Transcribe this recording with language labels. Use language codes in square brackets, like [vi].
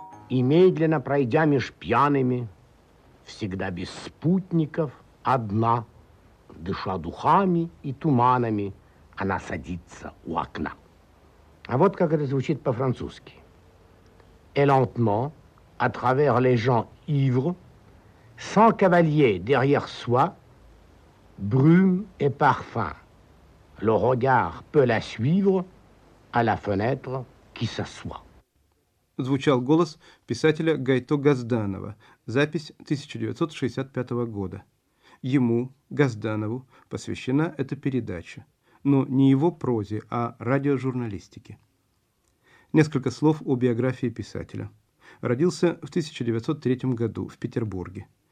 [ru] И медленно пройдя меж пьяными, всегда без спутников, одна, дыша духами и туманами, она садится у окна. А вот как это звучит по-французски. [fr] Et lentement, à travers les gens ivres, sans cavalier derrière soi, brume et parfum. Le regard peut la suivre à la fenêtre qui s'assoit. [ru] Звучал голос писателя Гайто Газданова, запись 1965 года. Ему, Газданову, посвящена эта передача, но не его прозе, а радиожурналистике. Несколько слов о биографии писателя. Родился в 1903 году в Петербурге.